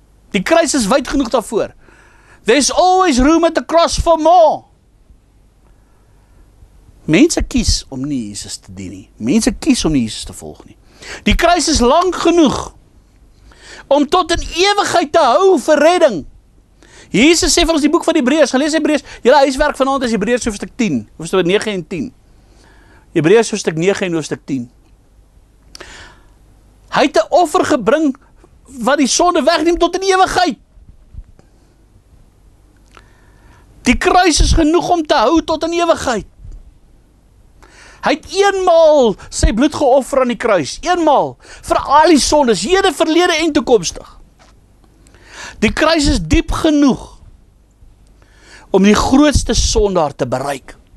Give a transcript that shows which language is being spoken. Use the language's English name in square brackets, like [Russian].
[Afrikaans] Die kruis is wyd genoeg daarvoor. [English] There's always room at the cross for more. [Afrikaans] Mense kies om nie Jesus te dien nie. Mense kies om nie Jesus te volg nie. Die kruis is lank genoeg om tot in ewigheid te hou vir redding. Jesus sê vir ons die boek van die Hebreërs, gelees Hebreërs, julle huiswerk vanavond is Hebreërs hoofstuk 10, hoofstuk 9 en 10. Hebreërs hoofstuk 9 en hoofstuk 10. Hy het 'n offer gebring wat die sonde wegneem tot in ewigheid. Die kruis is genoeg om te hou tot in ewigheid. Hy het eenmaal sy bloed geoffer aan die kruis, eenmaal, vir al die sondes, hede, verlede en toekomstig. Die kruis is diep genoeg om die grootste sondaar te bereik.